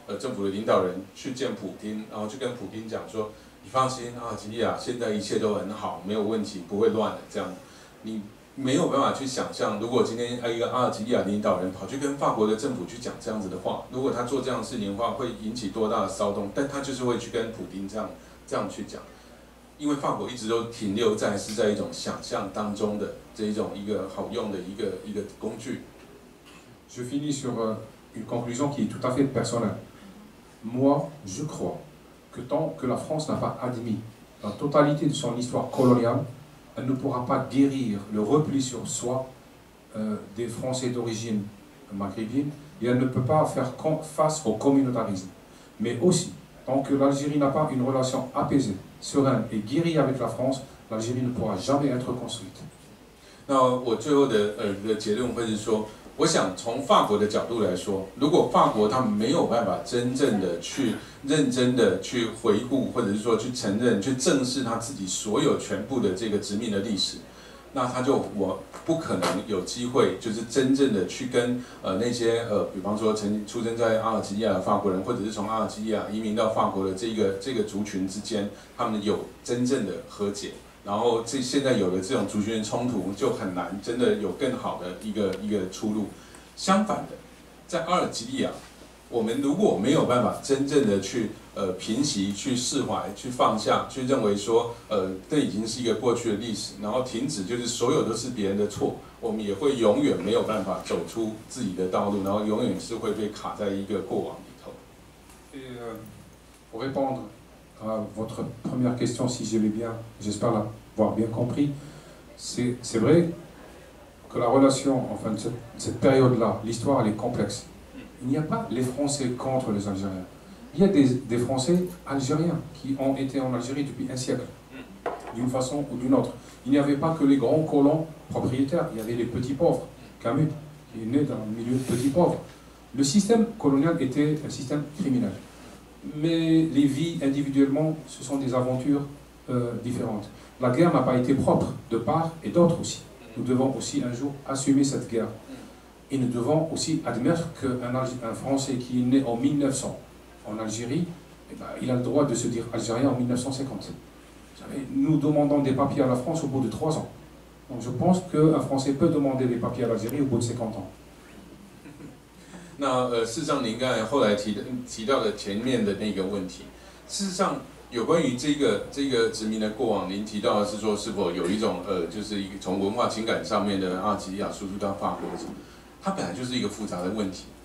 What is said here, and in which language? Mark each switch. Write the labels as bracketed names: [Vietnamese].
[Chinese] 政府的领导人去见普丁，然后去跟普丁讲说：“你放心，阿尔及利亚现在一切都很好，没有问题，不会乱的。”这样，你没有办法去想象，如果今天一个阿尔及利亚领导人跑去跟法国的政府去讲这样子的话，如果他做这样的事情的话，会引起多大的骚动？但他就是会去跟普丁这样去讲，因为法国一直都停留在是在一种想象当中的这一种一个好用的一个工具。 [French] Je finis sur une conclusion qui est tout à fait personnelle. Moi, je crois que tant que la France n'a pas admis la totalité de son histoire coloniale, elle ne pourra pas guérir le repli sur soi des Français d'origine maghrébine et elle ne peut pas faire face au communautarisme. Mais aussi, tant que l'Algérie n'a pas une relation apaisée, sereine et guérie avec la France, l'Algérie ne pourra jamais être construite. Alors, [Chinese] 我想从法国的角度来说，如果法国他没有办法真正的去认真的去回顾，或者是说去承认、去正视他自己所有全部的这个殖民的历史，那他就不可能有机会，就是真正的去跟那些比方说曾出生在阿尔及利亚的法国人，或者是从阿尔及利亚移民到法国的这个族群之间，他们有真正的和解。然后现在有了这种族群冲突，就很难真的有更好的一个出路。相反的，在阿尔及利亚，我们如果没有办法真正的去平息、去释怀、去放下、去认为说这已经是一个过去的历史，然后停止就是所有都是别人的错，我们也会永远没有办法走出自己的道路，然后永远是会被卡在一个过往里头。 [French] Pour répondre à votre première question, si j'ai bien, j'espère l'avoir bien compris, c'est vrai que la relation, enfin cette période-là, l'histoire elle est complexe. Il n'y a pas les Français contre les Algériens. Il y a des Français algériens qui ont été en Algérie depuis un siècle, d'une façon ou d'une autre. Il n'y avait pas que les grands colons propriétaires, il y avait les petits pauvres. Camus, qui est né dans le milieu de petits pauvres. Le système colonial était un système criminel. Mais les vies individuellement, ce sont des aventures différentes. La guerre n'a pas été propre de part et d'autre aussi. Nous devons aussi un jour assumer cette guerre. Et nous devons aussi admettre qu'un Français qui est né en 1900 en Algérie, eh ben, il a le droit de se dire algérien en 1950. Vous savez, nous demandons des papiers à la France au bout de 3 ans. Donc je pense qu'un Français peut demander des papiers à l'Algérie au bout de 50 ans. [Chinese] 事实上您刚才后来提到的前面的那个问题，事实上有关于这个殖民的过往，您提到的是说是否有一种就是一个从文化情感上面的阿尔及利亚输出到法国的时候，它本来就是一个复杂的问题。